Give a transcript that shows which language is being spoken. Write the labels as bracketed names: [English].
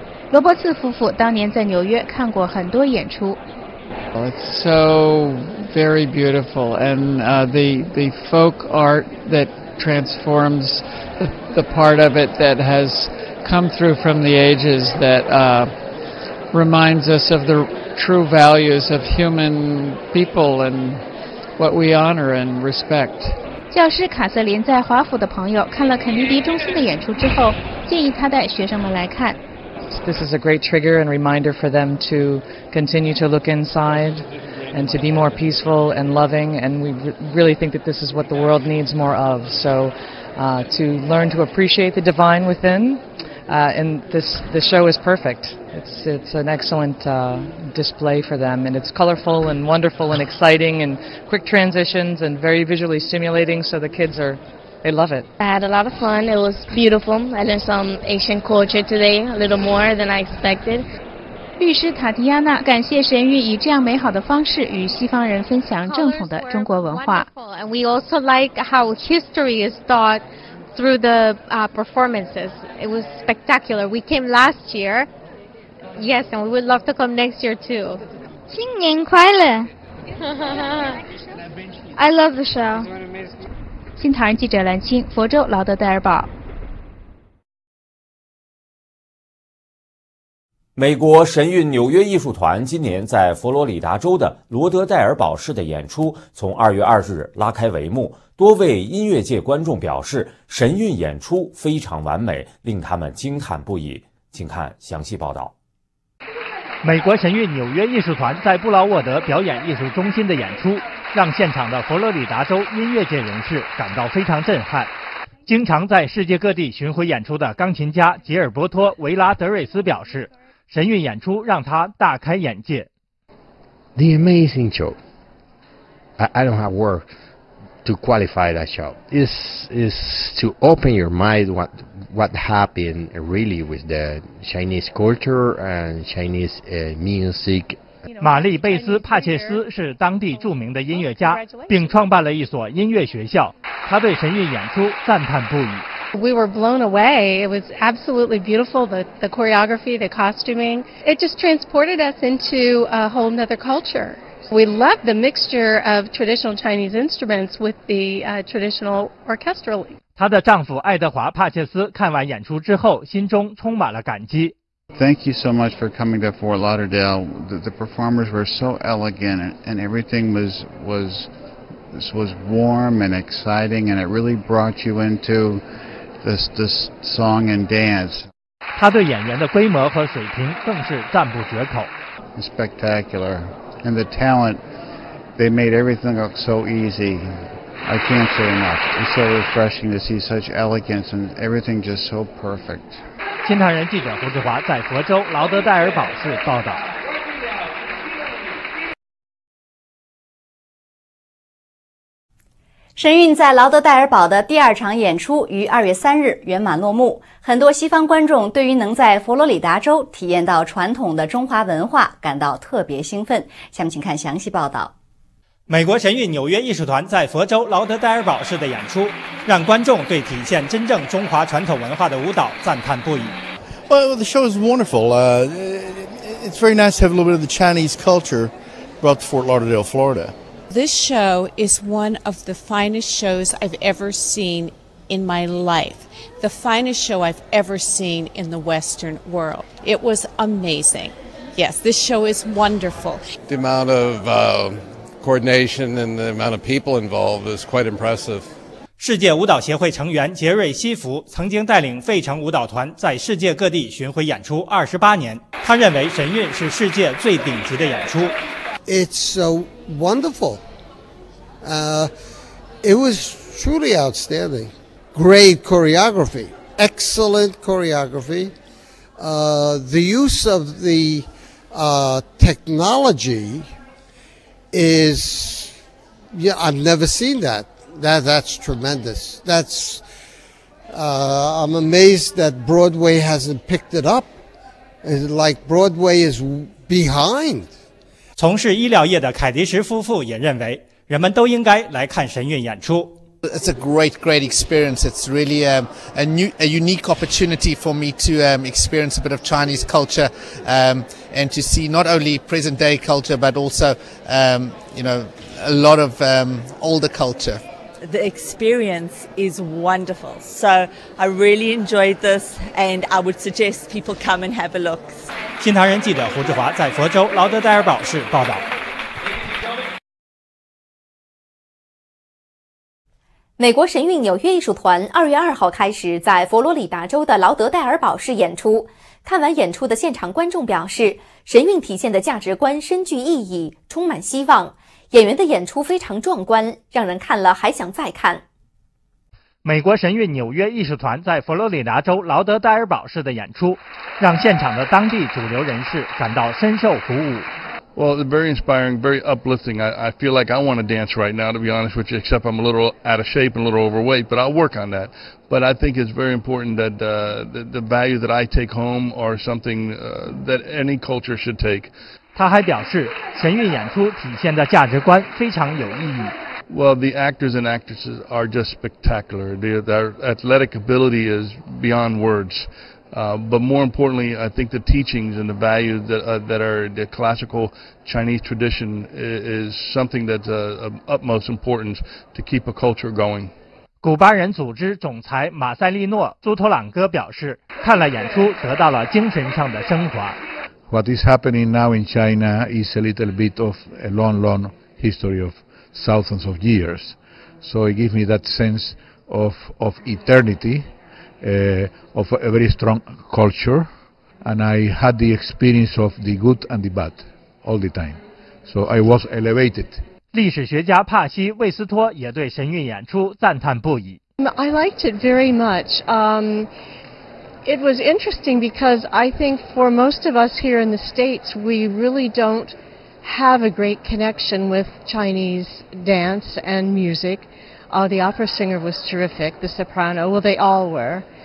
[Chinese] 罗伯茨夫妇当年在纽约看过很多演出。 [English] Well, it's so very beautiful. And the folk art that transforms the part of it that has come through from the ages that reminds us of the true values of human people and what we honor and respect. [Chinese] 教师卡瑟琳在华府的朋友看了肯尼迪中心的演出之后，建议他带学生们来看。 [English] This is a great trigger and reminder for them to continue to look inside and to be more peaceful and loving, and we really think that this is what the world needs more of. So to learn to appreciate the divine within, and this show is perfect. It's an excellent display for them, and it's colorful and wonderful and exciting and quick transitions and very visually stimulating, so the kids are... They love it. I had a lot of fun. It was beautiful. I learned some Asian culture today, a little more than I expected. [Chinese] 律师塔迪亚娜感谢神韵以这样美好的方式与西方人分享正统的中国文化。 [English] And we also like how history is taught through the performances. It was spectacular. We came last year. Yes, and we would love to come next year too. [Chinese] 新年快乐 [English] I love the show. [Chinese] 新唐人记者蓝青，佛州劳德戴尔堡。美国神韵纽约艺术团今年在佛罗里达州的罗德戴尔堡市的演出从2月2日拉开帷幕，多位音乐界观众表示神韵演出非常完美，令他们惊叹不已。请看详细报道。美国神韵纽约艺术团在布劳沃德表演艺术中心的演出，让现场的佛罗里达州音乐界人士感到非常震撼。经常在世界各地巡回演出的钢琴家吉尔伯托·维拉德瑞斯表示，神韵演出让他大开眼界。 [English] The amazing show. I don't have words to qualify that show. It's to open your mind what happened really with the Chinese culture and Chinese music. [Chinese] 玛丽·贝斯·帕切斯是当地著名的音乐家，并创办了一所音乐学校。他对神韵演出赞叹不已。 [English] We were blown away. It was absolutely beautiful. The choreography, the costuming, it just transported us into a whole another culture. We love the mixture of traditional Chinese instruments with the traditional orchestral. [Chinese] 她的丈夫爱德华·帕切斯看完演出之后，心中充满了感激。 [English] Thank you so much for coming to Fort Lauderdale. The performers were so elegant, and everything was warm and exciting, and it really brought you into this song and dance. [Chinese] 他对演员的规模和水平更是赞不绝口。 [English] Spectacular, and the talent, they made everything look so easy. I can't say enough. It's so refreshing to see such elegance and everything just so perfect. [Chinese] 新唐人记者胡志华在佛州劳德代尔堡市报道。神韵在劳德代尔堡的第二场演出于2月3日圆满落幕，很多西方观众对于能在佛罗里达州体验到传统的中华文化感到特别兴奋。下面请看详细报道。美国神韵纽约艺术团在佛州劳德代尔堡市的演出，让观众对体现真正中华传统文化的舞蹈赞叹不已。 [English] Well, the show is wonderful. It's very nice to have a little bit of the Chinese culture brought to Fort Lauderdale, Florida. This show is one of the finest shows I've ever seen in my life. The finest show I've ever seen in the Western world. It was amazing. Yes, this show is wonderful. The amount of coordination and the amount of people involved is quite impressive. [Chinese] 世界舞蹈协会成员杰瑞·西弗曾经带领费城舞蹈团在世界各地巡回演出28年，他认为神韵是世界最顶级的演出。 [English] It's so wonderful. It was truly outstanding. Great choreography, excellent choreography. The use of the technology is, yeah, I've never seen that. That's tremendous. I'm amazed that Broadway hasn't picked it up. It's like Broadway is behind. [Chinese] 从事医疗业的凯迪什夫妇也认为，人们都应该来看神韵演出。 [English] It's a great experience. It's really a unique opportunity for me to experience a bit of Chinese culture and to see not only present day culture but also a lot of older culture. The experience is wonderful. So I really enjoyed this, and I would suggest people come and have a look. [Chinese] 新唐人记者胡志华在佛州劳德代尔堡市报道。美国神韵纽约艺术团2月2号开始在佛罗里达州的劳德代尔堡市演出。看完演出的现场观众表示，神韵体现的价值观深具意义，充满希望。演员的演出非常壮观，让人看了还想再看。美国神韵纽约艺术团在佛罗里达州劳德代尔堡市的演出，让现场的当地主流人士感到深受鼓舞。 [English] Well, it's very inspiring, very uplifting. I feel like I want to dance right now, to be honest with you, except I'm a little out of shape and a little overweight, but I'll work on that. But I think it's very important that the value that I take home are something that any culture should take. [Chinese] 他还表示，神韵演出体现的价值观非常有意义。 [English] Well, the actors and actresses are just spectacular. Their athletic ability is beyond words. But more importantly, I think the teachings and the values that are the classical Chinese tradition is something that's of utmost importance to keep a culture going. [Chinese] 古巴人组织总裁马塞利诺·朱托朗哥表示，看了演出得到了精神上的升华。 [English] What is happening now in China is a little bit of a long, long history of thousands of years. So it gives me that sense of eternity, of a very strong culture. And I had the experience of the good and the bad all the time. So I was elevated. [Chinese] 历史学家帕西·魏斯托也对神韵演出赞叹不已。 [English] I liked it very much. It was interesting because I think for most of us here in the States, we really don't have a great connection with Chinese dance and music. The opera singer was terrific, the soprano, well, they all were.